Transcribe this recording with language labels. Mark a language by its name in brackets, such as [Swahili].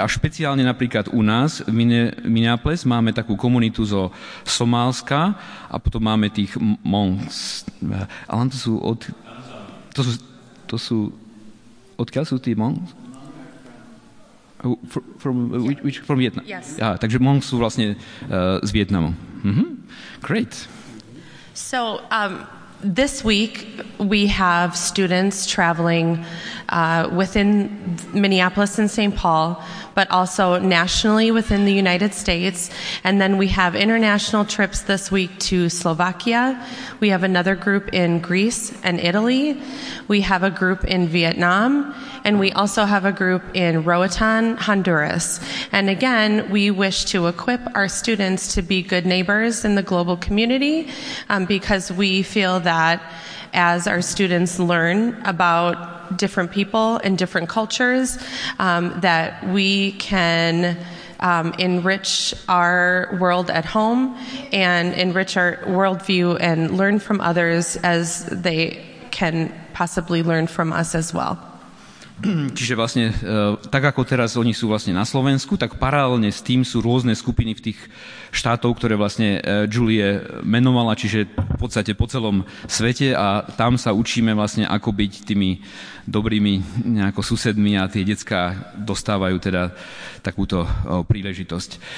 [Slovak] A špeciálne napríklad u nás v Minneapolis máme takú komunitu zo Somálska a potom máme tých Hmongs. Ale to sú od... To sú... Odkiaľ sú tí Hmongs? [English] From Vietnam. Yes. [Slovak] Ah, takže Hmong sú vlastne z Vietnamu. [English] Mm-hmm. Great. So this week we have students traveling within Minneapolis and St. Paul, but also nationally within the United States. And then we have international trips this week to Slovakia. We have another group in Greece and Italy. We have a group in Vietnam. And we also have a group in Roatan, Honduras. And again, we wish to equip our students to be good neighbors in the global community because we feel that as our students learn about different people and different cultures, that we can enrich our world at home and enrich our worldview and learn from others as they can possibly learn from us as well. [Slovak] Čiže vlastne tak, ako teraz oni sú vlastne na Slovensku, tak paralelne s tým sú rôzne skupiny v tých štátov, ktoré vlastne Julie menovala, čiže v podstate po celom svete a tam sa učíme vlastne, ako byť tými dobrými nejako susedmi a tie decká dostávajú teda takúto príležitosť.